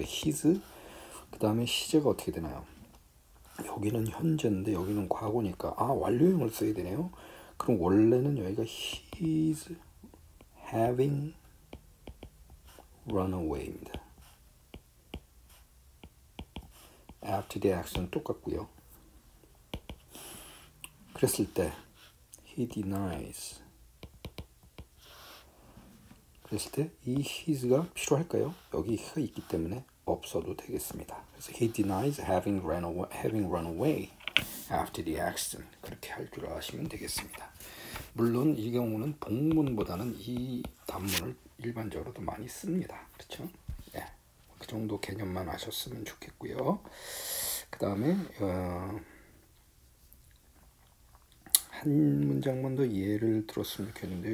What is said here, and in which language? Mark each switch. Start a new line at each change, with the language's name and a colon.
English: his.
Korean: 그 다음에 시제가 어떻게 되나요? 여기는 현재인데 여기는 과거니까, 아, 완료형을 써야 되네요. 그럼 원래는 여기가
English: he's having runaway
Korean: 입니다.
English: After the action
Korean: 똑같고요. 그랬을 때
English: he denies.
Korean: 그랬을 때 이 his가 필요할까요? 여기 he가 있기 때문에 없어도 되겠습니다. 그래서
English: he denies having run away after the accident.
Korean: 그렇게 할 줄 아시면 되겠습니다. 물론 이 경우는 복문보다는 이 단문을 일반적으로도 많이 씁니다. 그렇죠? 예. 그 정도 개념만 아셨으면 좋겠고요. 그다음에 한 문장만 더 예를 들었으면 좋겠는데요.